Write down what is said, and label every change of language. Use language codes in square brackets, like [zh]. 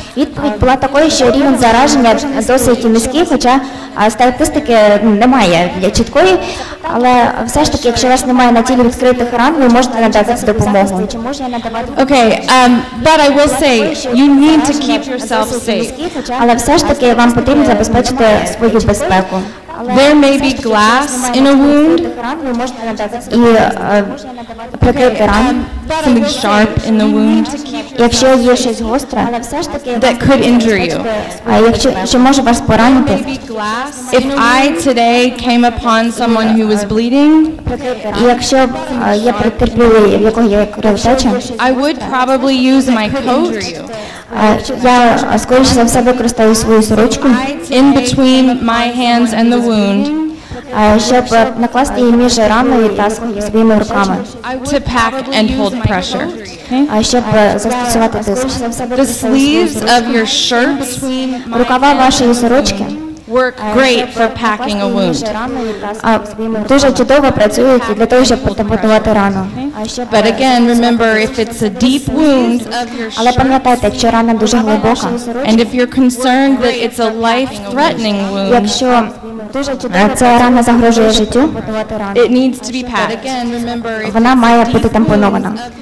[uk] Відповідь була такою, що рівень зараження досить низький, хоча статистики немає чіткої, але все ж таки, якщо у вас немає на тілі відкритих ран, ви можете надати допомогу. [en] Okay, but I will say, you need to keep yourself safe. [uk] Але все ж таки вам потрібно забезпечити свою безпеку. [en] There may be glass in a wound. [uk] І прикрити рану, [en] something sharp in the wound. [uk] Якщо є щось гостре, [en] that could injure you. [uk] Якщо може вас поранити. [en] If I today came upon someone who was bleeding, [uk] якщо я потерпіла, в якого є кровотеча, [en] I would probably use my coat. [uk] Я скоріше за все використаю свою сорочку. [en] In between my hands and the wound. [uk] Щоб накласти її між раною та своїми руками. [en] To pack and hold pressure. [uk] Щоб застосувати тиск. [en] The sleeves of your shirt. [uk] Рукава вашої сорочки. [en] Work great for packing a wound. [uk] Дуже чудово працюють для того, щоб потапувати рану. [en] But again, remember, if it's a deep wound, [uk] але пам'ятайте, якщо рана дуже глибока, [en] and if you're concerned that it's a life-threatening wound, [uk] якщо ця рана загрожує життю, [en] it needs to be packed. [uk] Вона має бути тампонована.